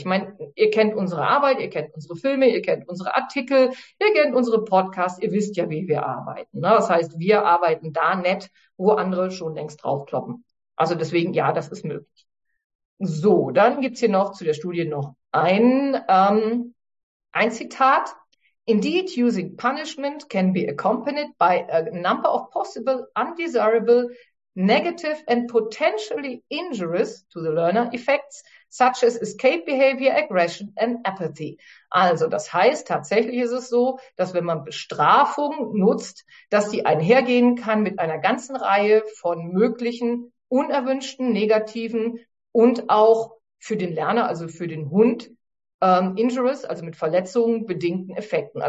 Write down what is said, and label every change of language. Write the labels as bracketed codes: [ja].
[de] Ich meine, ihr kennt unsere Arbeit, ihr kennt unsere Filme, ihr kennt unsere Artikel, ihr kennt unsere Podcasts, ihr wisst ja, wie wir arbeiten. Ne? Das heißt, wir arbeiten da nett, wo andere schon längst draufkloppen. Also deswegen, ja, das ist möglich. So, dann gibt es hier noch zu der Studie noch ein Zitat. [en] Indeed, using punishment can be accompanied by a number of possible undesirable negative and potentially injurious to the learner effects, such as escape behavior, aggression and apathy. [de] Also, das heißt, tatsächlich ist es so, dass wenn man Bestrafung nutzt, dass die einhergehen kann mit einer ganzen Reihe von möglichen unerwünschten, negativen und auch für den Lerner, also für den Hund, injurious, also mit Verletzungen bedingten Effekten.